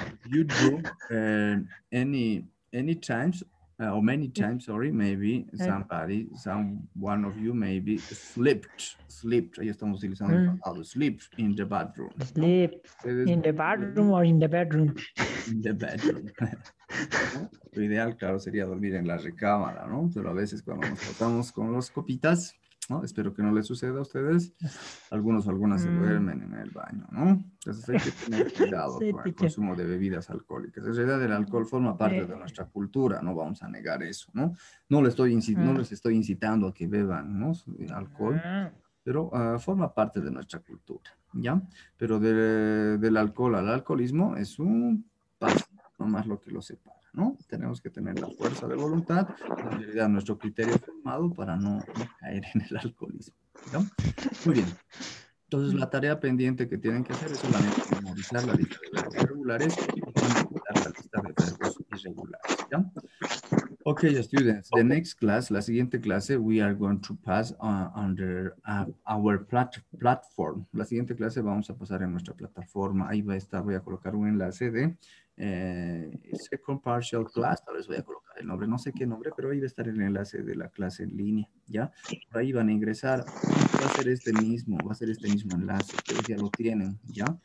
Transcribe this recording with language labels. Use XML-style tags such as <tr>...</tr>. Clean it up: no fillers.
<en>You do any times or many times, sorry, maybe someone of you maybe slipped.</en> <es>Ahí estamos utilizando</es> <en>slipped in the bathroom. Sleep in the bathroom or in the bedroom. In the bedroom.</en> <es>Lo ideal, claro, sería dormir en la recámara, ¿no? Pero a veces cuando nos tratamos con los copitas, ¿no? Espero que no les suceda a ustedes. Algunas se duermen en el baño, ¿no? Entonces hay que tener cuidado con el consumo de bebidas alcohólicas. En realidad el alcohol forma parte de nuestra cultura, no vamos a negar eso, ¿no? No les estoy incitando a que beban, ¿no? Alcohol, pero forma parte de nuestra cultura, ¿ya? Pero del alcohol al alcoholismo es un paso, nomás lo que lo separa, ¿no? Tenemos que tener la fuerza de voluntad, en realidad nuestro criterio formado para no caer en el alcoholismo, ¿no? Muy bien. Entonces, la tarea pendiente que tienen que hacer es solamente memorizar la lista de verbos regulares y memorizar la lista de verbos irregulares, ¿ya?</es> <en>Ok, students, the next class,</en> <es>la siguiente clase,</es> <en>we are going to pass under our platform.</en> <es>La siguiente clase vamos a pasar en nuestra plataforma. Ahí va a estar, voy a colocar un enlace de Second Partial Class, tal vez voy a colocar el nombre, no sé qué nombre, pero ahí va a estar el enlace de la clase en línea, ¿ya? Por ahí van a ingresar, va a ser este mismo enlace, ustedes ya lo tienen, ¿ya?</es>